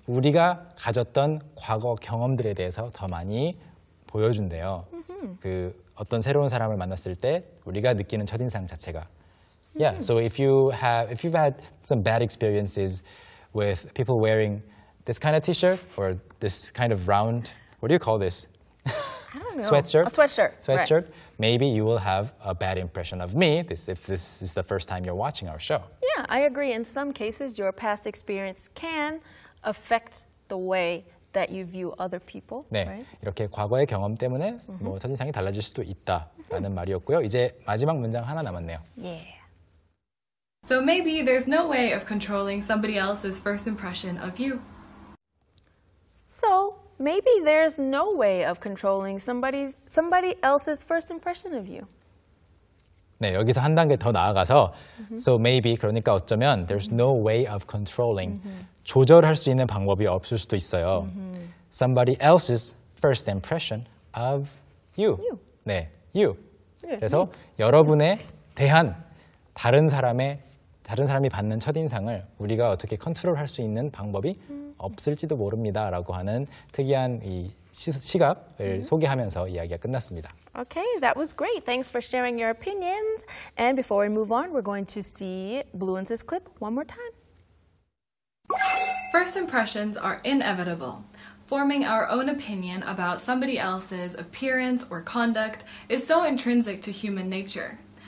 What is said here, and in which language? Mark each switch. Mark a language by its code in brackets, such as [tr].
[ko] 우리가 가졌던 과거 경험들에 대해서 더 많이 보여준대요. Mm-hmm. 그 어떤 새로운 사람을 만났을 때 우리가 느끼는 첫인상 자체가. Mm-hmm. [en] Yeah, so if you've had some bad experiences with people wearing this kind of t-shirt or this kind of round, what do you call this? I don't know. Sweatshirt? A sweatshirt. Sweatshirt. Right. Maybe you will have a bad impression of me if this is the first time you're watching our show. Yeah, I agree. In some cases, your past experience can affect the way that you view other people. [ko] 네, [en] right? [ko] 이렇게 과거의 경험 때문에 mm-hmm. 뭐 첫인상이 달라질 수도 있다라는 mm-hmm. 말이었고요. 이제 마지막 문장 하나 남았네요. [en] Yeah. So maybe there's no way of controlling somebody else's first impression of you. So maybe there's no way of controlling somebody else's first impression of you. [ko] 네, 여기서 한 단계 더 나아가서 mm-hmm. [en] So maybe, [ko] 그러니까 어쩌면 [en] There's no way of controlling [ko] mm-hmm. 조절할 수 있는 방법이 없을 수도 있어요. Mm-hmm. [en] somebody else's first impression of you. You. [ko] 네, you. 그래서 네. 여러분에 대한 다른 사람이 받는 첫인상을 우리가 어떻게 컨트롤할 수 있는 방법이 없을지도 모릅니다. 라고 하는 특이한 이 시각을 소개하면서 이야기가 끝났습니다. [en] Okay, that was great. Thanks for sharing your opinions. And before we move on, we're going to see Bluence's clip one more time. First impressions are inevitable. Forming our own opinion about somebody else's appearance or conduct is so intrinsic to human nature.